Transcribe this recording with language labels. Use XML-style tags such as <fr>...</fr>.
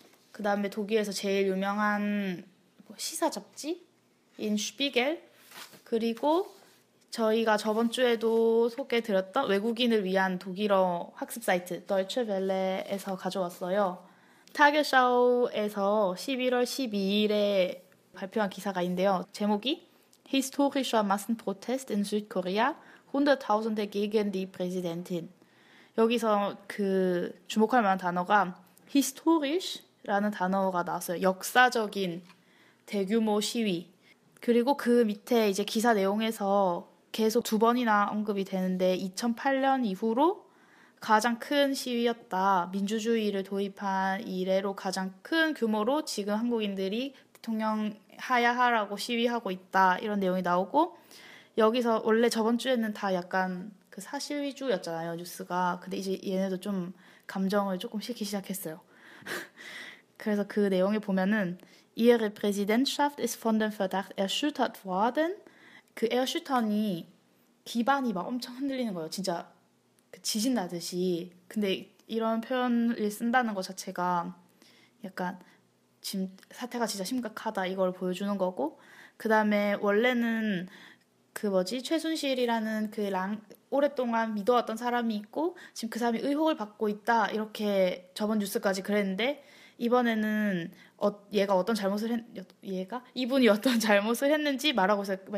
<ko>그 다음에 독일에서 제일 유명한 시사 잡지 인 슈피겔 그리고 저희가 저번 주에도 소개드렸던 외국인을 위한 독일어 학습 사이트 덜츠벨레에서 가져왔어요. 타겟쇼에서 11월 12일에 발표한 기사가 있는데요.</ko> <de>제목이 Historischer Massenprotest in Südkorea 100.000 gegen die Präsidentin.</de> <ko>여기서 그 주목할 만한 단어가 historisch라는 단어가 나왔어요. 역사적인 대규모 시위. 그리고 그 밑에 이제 기사 내용에서 계속 두 번이나 언급이 되는데 2008년 이후로 가장 큰 시위였다. 민주주의를 도입한 이래로 가장 큰 규모로 지금 한국인들이 대통령 하야하라고 시위하고 있다. 이런 내용이 나오고 여기서 원래 저번 주에는 다 약간 그 사실 위주였잖아요. 뉴스가. 근데 이제 얘네도 좀 감정을 조금 싣기 시작했어요. 그래서 그 내용을 보면은</ko> <de>Ihre Präsidentschaft ist von dem Verdacht erschüttert worden.</de> <ko>그 erschüttern이 기반이 막 엄청 흔들리는 거예요. 진짜 그 지진 나듯이. 근데 이런 표현을 쓴다는 것 자체가 약간 지금 사태가 진짜 심각하다 이걸 보여주는 거고 그 다음에 원래는 그 뭐지 최순실이라는 그 랑 오랫동안 믿어왔던 사람이 있고 지금 그 사람이 의혹을 받고 있다 이렇게 저번 뉴스까지 그랬는데 이번에는 얘가 어떤 잘못을 이분이 어떤 잘못을 했는지 말하고 있어요.</ko>